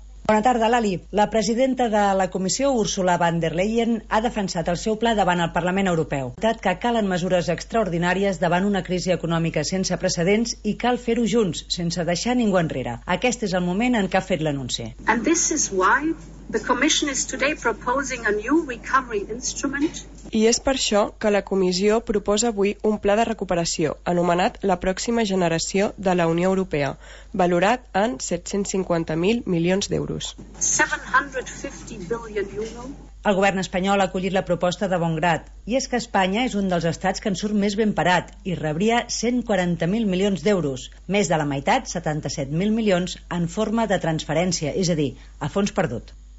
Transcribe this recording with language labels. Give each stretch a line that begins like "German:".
Catalan: Bona tarda, Lali. La presidenta de la Comissió, Ursula von der Leyen, ha defensat el seu pla davant el Parlament Europeu. Ha dit que calen mesures extraordinàries davant una crisi econòmica sense precedents i cal fer-ho junts, sense deixar ningú enrere. Aquest és el moment en què ha fet l'anunci.
English: And this is why the Commission is today proposing a new recovery instrument.
Catalan: I és per això que la Comissió proposa avui un pla de recuperació, anomenat la pròxima generació de la Unió Europea, valorat en 750.000 milions d'euros. El govern espanyol ha acollit la proposta de bon grat, i és que Espanya és un dels estats que en surt més ben parat i rebria 140.000 milions d'euros, més de la meitat, 77.000 milions, en forma de transferència, és a dir, a fons perdut.